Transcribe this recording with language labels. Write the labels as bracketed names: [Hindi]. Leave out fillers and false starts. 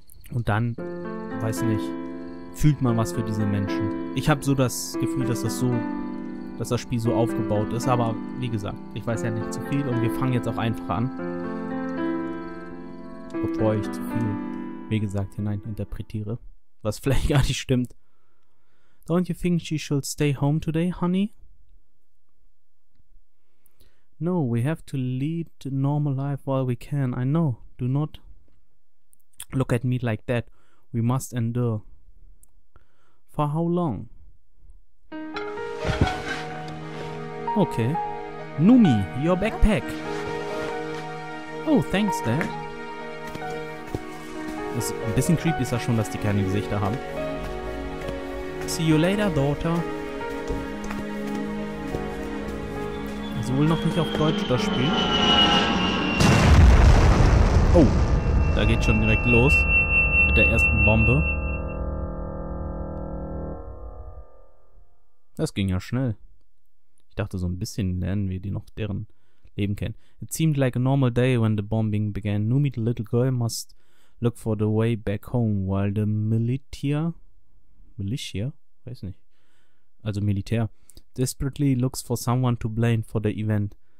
[German] Und dann, weiß nicht, fühlt man was für diese Menschen. Ich habe so das Gefühl, dass das Spiel so aufgebaut ist. Aber wie gesagt, ich weiß ja nicht zu viel. Und wir fangen jetzt auch einfach an. Bevor ich zu viel, wie gesagt, hinein interpretiere. Was vielleicht gar nicht stimmt. [English] Don't you think she should stay home today, honey? No, we have to lead a normal life while we can. I know, do not... Look at me like that. We must endure. For how long? Okay. Numi, your backpack. Oh, thanks, Dad. [German] Ist ein bisschen creepy, ist das schon, dass die keine Gesichter haben. [English] See you later, daughter. [German] Ist wohl noch nicht auf Deutsch das Spiel. Oh. Da geht schon direkt los mit der ersten Bombe. Das ging ja schnell. Ich dachte, so ein bisschen lernen wir die noch deren Leben kennen. [English] It seemed like a normal day when the bombing began. Numi, the little girl, must look for the way back home while the Militia? [German] Weiß nicht. Also Militär. [English] Desperately looks for someone to blame for the event.